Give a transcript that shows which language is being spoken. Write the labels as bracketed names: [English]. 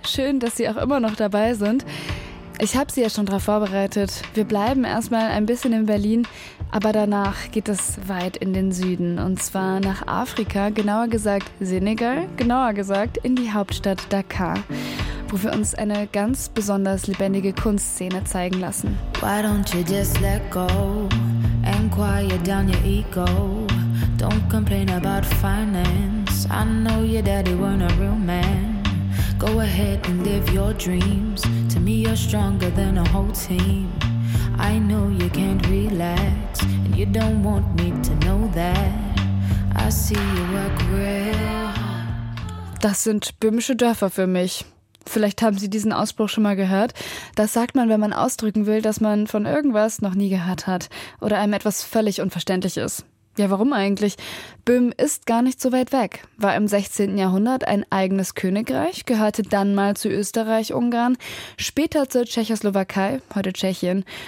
[German] Schön, dass Sie auch immer noch dabei sind. Ich habe Sie ja schon darauf vorbereitet. Wir bleiben erstmal ein bisschen in Berlin, aber danach geht es weit in den Süden. Und zwar nach Afrika, genauer gesagt Senegal, genauer gesagt in die Hauptstadt Dakar, wo wir uns eine ganz besonders lebendige Kunstszene zeigen lassen. [English] Why don't you just let go and quiet down your ego? Don't complain about finance. I know your daddy weren't a real man. Go ahead and live your dreams. To me, you're stronger than a whole team. I know you can't relax, and you don't want me to know that. I see you work real. [German] Das sind böhmische Dörfer für mich. Vielleicht haben Sie diesen Ausspruch schon mal gehört. Das sagt man, wenn man ausdrücken will, dass man von irgendwas noch nie gehört hat oder einem etwas völlig unverständlich ist. Ja, warum eigentlich? Böhm ist gar nicht so weit weg. War im 16. Jahrhundert ein eigenes Königreich, gehörte dann mal zu Österreich-Ungarn, später zur Tschechoslowakei, heute Tschechien.